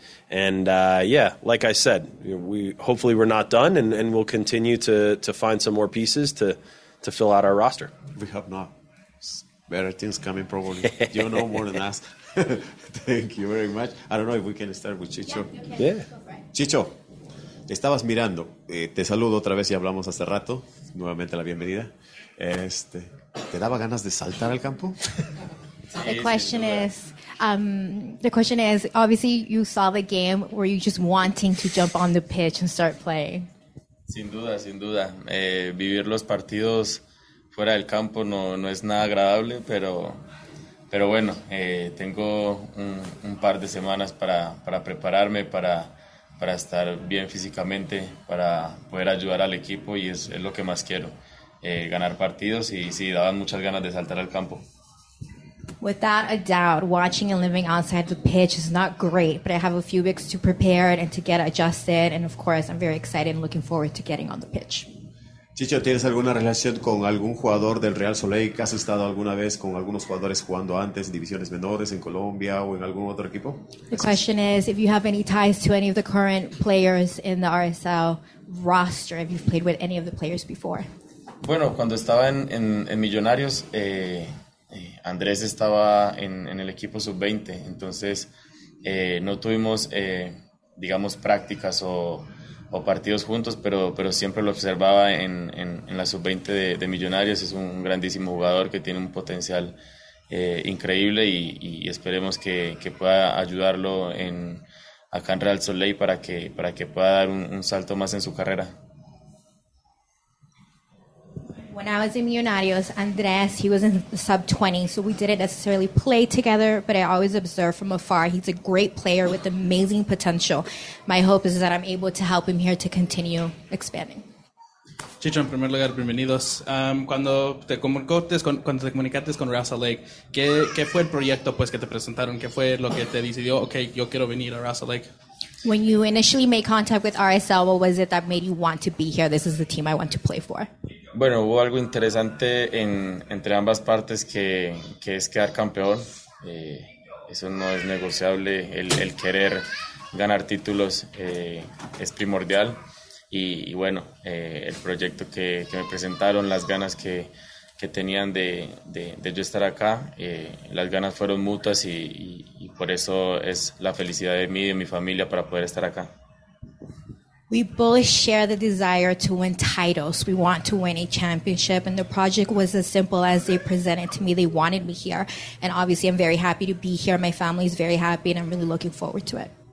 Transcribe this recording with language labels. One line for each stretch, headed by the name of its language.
English: And like I said, we're not done, and we'll continue to find some more pieces to fill out our roster. We hope not. Better things coming, probably. You know more than us. Thank you very much. I don't know if we can start with Chicho. Yeah.
Spanish: Chicho, estabas mirando. Te saludo otra vez y hablamos hace rato. Nuevamente la bienvenida. ¿Te daba ganas de saltar al campo?
English: The question is, obviously you saw the game. Were you just wanting to jump on the pitch and start playing?
Spanish: Sin duda. Vivir los partidos fuera del campo no es nada agradable, pero bueno, tengo un par de semanas para prepararme, para estar bien físicamente, para poder ayudar al equipo, y es lo que más quiero, ganar partidos, y sí, daban muchas ganas de saltar al campo.
English: Without a doubt, watching and living outside the pitch is not great, but I have a few weeks to prepare and to get adjusted. And of course, I'm very excited and looking forward to getting on the pitch.
Spanish: Chicho, ¿tienes alguna relación con algún jugador del Real Soleil? ¿Has estado alguna vez con algunos jugadores jugando antes, divisiones menores en Colombia o en algún otro equipo?
English: The question is, if you have any ties to any of the current players in the RSL roster, if you've played with any of the players before?
Spanish: Bueno, cuando estaba en Millonarios, Andrés estaba en el equipo sub-20, entonces no tuvimos, digamos, prácticas o partidos juntos, pero siempre lo observaba en la sub-20 de Millonarios. Es un grandísimo jugador que tiene un potencial increíble y esperemos que pueda ayudarlo acá en Real Salt Lake para que pueda dar un salto más en su carrera.
English: When I was in Millonarios, Andrés, he was in the sub-20, so we didn't necessarily play together, but I always observed from afar. He's a great player with amazing potential. My hope is that I'm able to help him here to continue expanding.
Spanish: Chicho, en primer lugar, bienvenidos. Cuando te comunicaste con Real Salt Lake, ¿qué fue el proyecto pues, que te presentaron? ¿Qué fue lo que te decidió, okay, yo quiero venir a Real Salt Lake?
English: When you initially made contact with RSL, what was it that made you want to be here? This is the team I want to play for.
Spanish: Bueno, hubo algo interesante entre ambas partes que es quedar campeón. Eso no es negociable. El querer ganar títulos es primordial. Y bueno, el proyecto que me presentaron, las ganas que tenían de yo estar acá, las ganas fueron mutuas y por eso es la felicidad de mí y de mi familia para poder estar acá.
English: We both share the desire to win titles. We want to win a championship, and the project was as simple as they presented to me. They wanted me here, and obviously I'm very happy to be here. My family is very happy, and I'm really looking forward to it.